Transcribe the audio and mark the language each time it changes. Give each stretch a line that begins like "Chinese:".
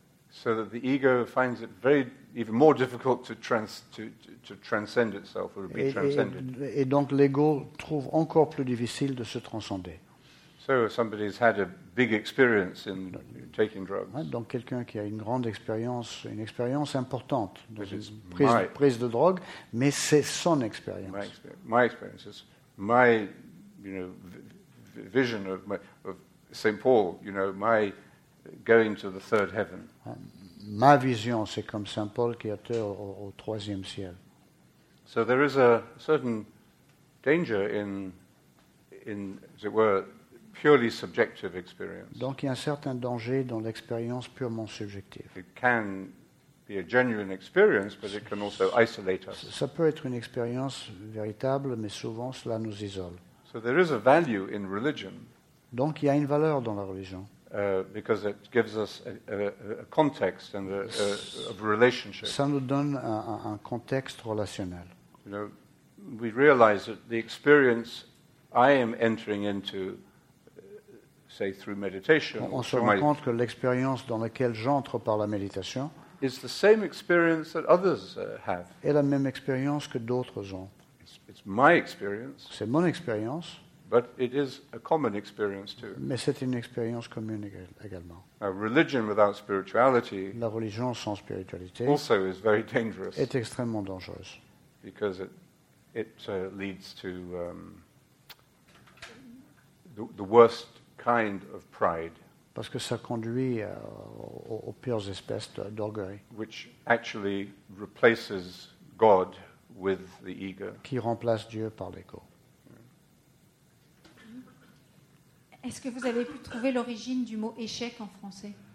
English: so that the ego finds it very even more difficult to transcend itself or to be transcended.
French: Et donc l'ego trouve encore plus difficile de se transcender.
English: So somebody's had a big experience in taking drugs.
French: Ouais, donc quelqu'un qui a une grande expérience, une expérience importante dans une prise de drogue, mais c'est son expérience.
English: My experience is my, you know, vision of Saint Paul, you know, my going to the third heaven.
French: Ouais, ma vision, c'est comme Saint Paul qui atteint au troisième ciel.
English: So there is a certain danger in as it were, purely subjective experience.
French: Donc il y a un certain danger dans l'expérience purement subjective.
English: It can be a genuine experience, but it can also isolate us.
French: Ça peut être une expérience véritable, mais souvent cela nous isole.
English: So there is a value in religion.
French: Donc il y a une valeur dans la religion.
English: Because it gives us a context and a relationship.
French: Ça nous donne un contexte relationnel.
English: You know, we realize that the experience I am entering into, say through meditation,
French: on se rend compte que l'expérience dans laquelle j'entre par la méditation
English: is the same experience that others have.
French: Est la même expérience que d'autres ont.
English: It's my experience.
French: C'est mon expérience.
English: But it is a common experience too.
French: Mais c'est une expérience commune également.
English: A religion without spirituality,
French: la religion sans spiritualité,
English: also is very dangerous.
French: Est extrêmement dangereuse.
English: Because it leads to the worst kind of pride.
French: Parce que ça conduit aux pires espèces d'orgueil.
English: Which actually replaces God with the ego.
French: Qui remplace Dieu par l'ego. Est-ce que vous avez pu trouver l'origine du mot échec en français?